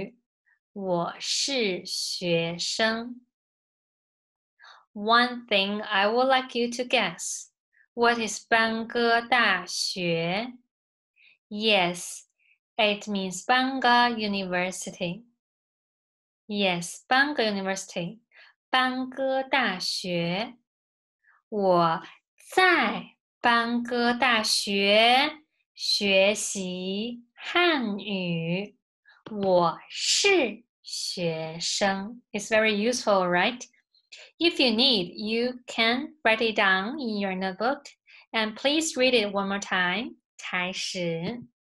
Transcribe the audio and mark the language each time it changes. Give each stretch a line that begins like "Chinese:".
Chinese: 我在班哥大学学习汉语，我是学生.
English: One thing I would like you to guess. What is 班哥大学?Yes, it means 班哥 University. Yes, 班哥 University. 班哥大学.
Chinese: 我在 班哥大学学习汉语，我是学生.
English: It's very useful, right? If you need, you can write it down in your notebook. And please read it one more time. 开始.